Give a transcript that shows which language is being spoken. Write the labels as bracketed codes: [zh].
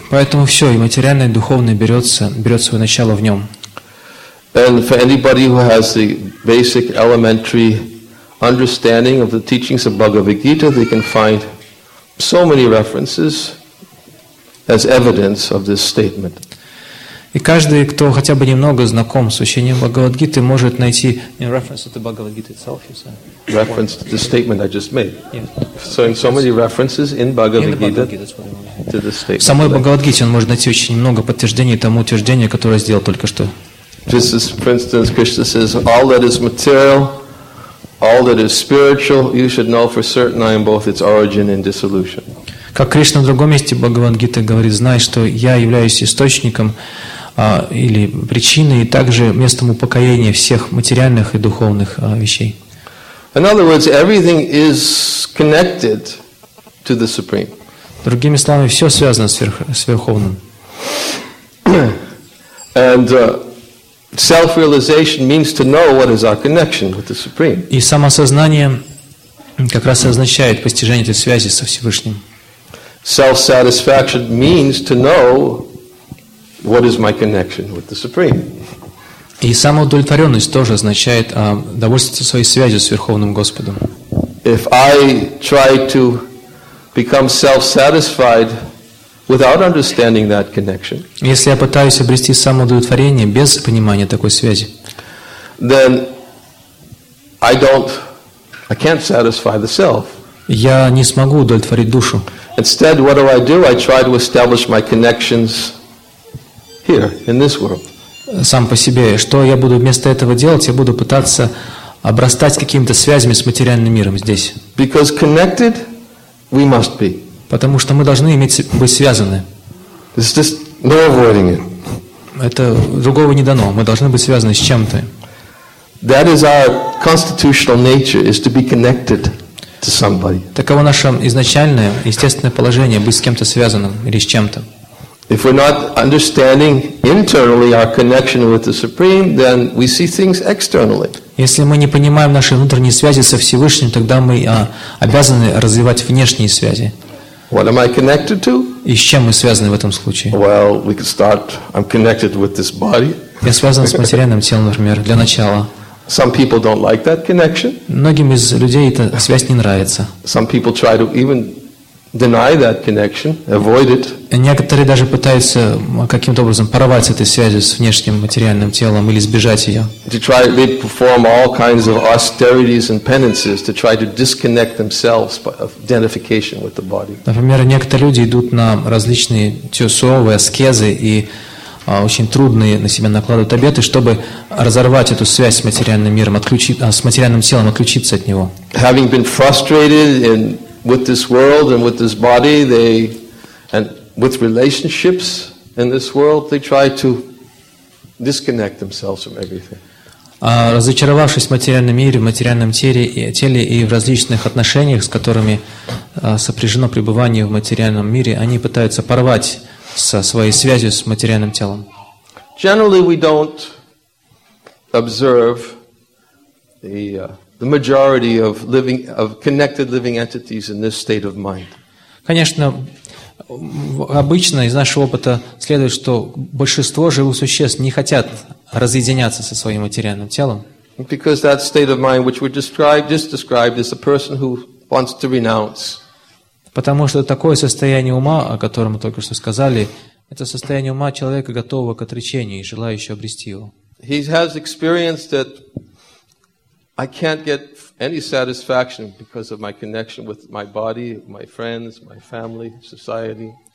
[ru] Поэтому все, и материальное, и духовное берет свое начало в нем. [en] And for anybody who has the basic elementary understanding of the teachings of Bhagavad Gita, they can find so many references as evidence of this statement. [ru] И каждый, кто хотя бы немного знаком с учением Бхагавад-гиты, может найти [en] in reference to Bhagavad-gita itself, you said. Reference to the statement I just made. Yeah. So in so many references in Bhagavad-gita, to the statement. [ru] В самой Бхагавад-гите он может найти очень много подтверждений тому утверждению, которое сделал только что. [en] This is, for instance, Krishna says, all that is material, all that is spiritual, you should know for certain I am both its origin and dissolution. [ru] Как Кришна в другом месте Бхагавад-гиты говорит, знай, что я являюсь источником или причиной, и также местом упокоения всех материальных и духовных вещей. [en] In other words, everything is connected to the Supreme. [ru] Другими словами, все связано с Верховным. [en] And self-realization means to know what is our connection with the Supreme. [ru] И самосознание как раз означает постижение этой связи со Всевышним. [en] Self-satisfaction means to know what is my connection with the Supreme. [ru] И самоудовлетворенность тоже означает довольствоваться своей связью с Верховным Господом. [en] If I try to become self-satisfied without understanding that connection, [ru] если я пытаюсь обрести самоудовлетворение без понимания такой связи, [en] then I can't satisfy the self. [ru] Я не смогу удовлетворить душу. [en] Instead, what do? I try to establish my connections here, in this world. [ru] Сам по себе. Что я буду вместо этого делать? Я буду пытаться обрастать какими-то связями с материальным миром здесь. [en] Because connected, we must be. [ru] Потому что мы должны иметь быть связаны. [en] It's just no avoiding it. [ru] Это другого не дано. Мы должны быть связаны с чем-то. [en] That is our constitutional nature, is to be connected. [ru] Таково наше изначальное, естественное положение быть с кем-то связанным или с чем-то. [en] If we're not understanding internally our connection with the Supreme, then we see things externally. [ru] Если мы не понимаем наши внутренние связи со Всевышним, тогда мы обязаны развивать внешние связи. [en] What am I connected to? [ru] И с чем мы связаны в этом случае? [en] Well, we could start. I'm connected with this body. [ru] Я связан с материальным телом, например, для начала. [en] Some people don't like that connection. [ru] Многим из людей эта связь не нравится. [en] Some people try to even deny that connection, avoid it. [ru] Некоторые даже пытаются каким-то образом порвать с этой связью с внешним материальным телом или избежать ее. [en] They perform all kinds of austerities and penances to try to disconnect themselves of identification with the body. [ru] Например, некоторые люди идут на различные тюсовые аскезы и очень трудные на себя накладывают обеты, чтобы разорвать эту связь с материальным миром, с материальным телом, отключиться от него. [en] Having been frustrated with this world and with this body, and with relationships in this world, they try to disconnect themselves from everything. [ru] Разочаровавшись в материальном мире, в материальном теле и в различных отношениях, с которыми сопряжено пребывание в материальном мире, они пытаются порвать со своей связью с материальным телом. [en] Generally, we don't observe the majority of living of connected living entities in this state of mind. [ru] Конечно, обычно из нашего опыта следует, что большинство живых существ не хотят разъединяться со своим материальным телом. [en] Because that state of mind, which we just described, is a person who wants to renounce. [ru] Потому что такое состояние ума, о котором мы только что сказали, это состояние ума человека, готового к отречению и желающего обрести его. [en] He has experienced that I can't get any satisfaction because of my connection with my body, my friends, my family, society.